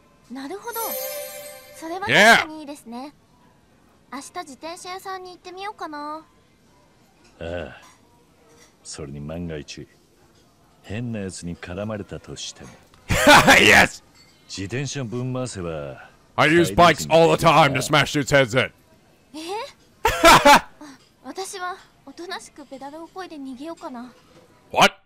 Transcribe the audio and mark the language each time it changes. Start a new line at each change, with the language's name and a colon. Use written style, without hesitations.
Japanese: なるほど。それは確かにいいですね。明日自転車屋さんに行ってみようかな。ああ。それに万が一変なやつに絡まれたとしても。
English: Yes.
Japanese: 自転車分回せば。I
English: use bikes all the time to smash dudes' heads in.
Japanese: え?私はおとなしくペダルをこいで逃げようかな。
English: What?